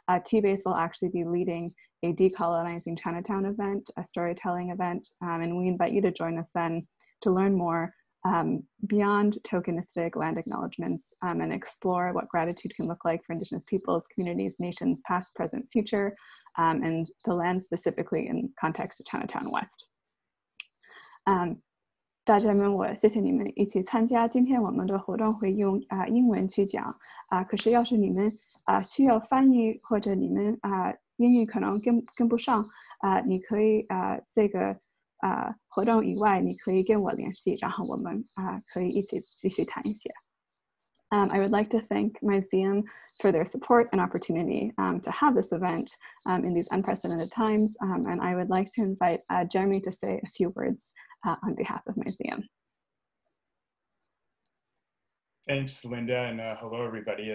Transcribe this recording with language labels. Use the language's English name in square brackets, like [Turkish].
[English] T-Base will actually be leading a decolonizing ChinaTOwn event, a storytelling event, and we invite you to join us then to learn more beyond tokenistic land acknowledgements and explore what gratitude can look like for Indigenous peoples, communities, nations, past, present, future, and the land specifically in context of ChinaTOwn West. [Chinese] 大家们，我谢谢你们一起参加。今天我们的活动会用英文去讲可是要是你们需要翻译或者你们英语可能跟不上你可以这个活动以外，你可以跟我联系，然后我们可以一起继续谈一些。 [English] I would like to thank Museum for their support and opportunity to have this event in these unprecedented times. And I would like to invite Jeremy to say a few words on behalf of Museum. Thanks, Linda, and hello, everybody.